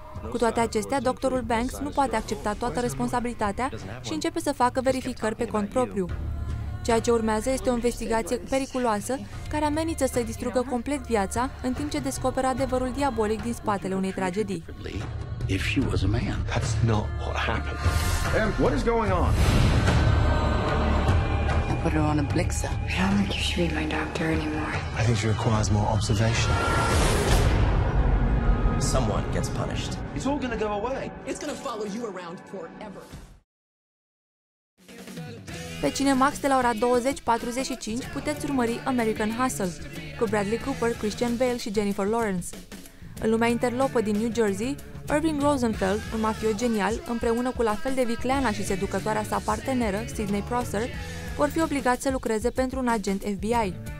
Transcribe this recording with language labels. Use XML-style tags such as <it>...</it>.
<ro>Cu toate acestea, doctorul Banks nu poate accepta toată responsabilitatea și începe să facă verificări pe cont propriu. Ceea ce urmează este o investigație periculoasă care amenință să-i distrugă complet viața în timp ce descoperă adevărul diabolic din spatele unei tragedii.</ro> <en>If she was a man, that's not what happened. And what is going on? I put her on a blixer. I don't think you should be my doctor anymore. I think she requires more observation. Someone gets punished. It's all gonna go away. It's gonna follow you around forever.</en> <ro>Pe Cinemax de la ora 20:45 puteți urmări American Hustle cu Bradley Cooper, Christian Bale și Jennifer Lawrence. În lumea interlopă din New Jersey, Irving Rosenfeld, un mafiot genial, împreună cu la fel de vicleana și seducătoarea sa parteneră, Sidney Prosser, vor fi obligați să lucreze pentru un agent FBI.</ro>